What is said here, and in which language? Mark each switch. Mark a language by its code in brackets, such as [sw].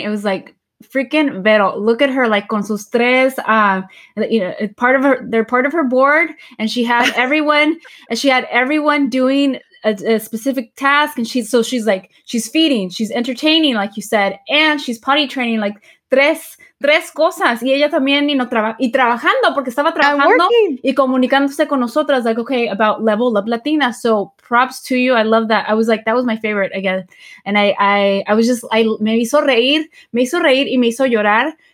[en] It was like, freaking Vero, look at her, like [es] con sus tres, [en] they're part of her board, and she had everyone and she had everyone doing a specific task, and she's feeding, she's entertaining, like you said, and she's potty training. Like [es] tres cosas. Y ella también, [en] you know, [es] trabajando, porque estaba trabajando y comunicándose con nosotras, [en] like, okay, about [es] Level Up Latina. [en] So props to you. I love that. I was like, that was my favorite again. And I was just, [es] me hizo reír y me hizo llorar.